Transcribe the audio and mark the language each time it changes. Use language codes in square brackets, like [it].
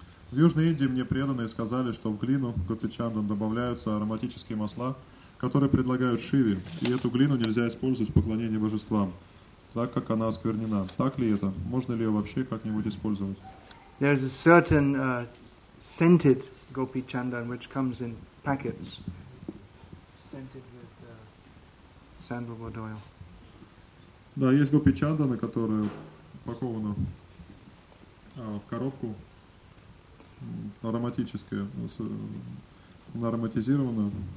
[ru] В Южной Индии мне преданные сказали, что в глину Гопи Чандан добавляются ароматические масла, которые предлагают Шиве, и эту глину нельзя использовать в поклонении божествам, так как она осквернена. Так ли это? Можно ли ее вообще как-нибудь использовать? [en] There is a certain scented gopi chandan which comes in packets, scented with sandalwood oil. [ru] Да, есть гопи чанданы, которые упакованы в коробку ароматическую, ароматизированную.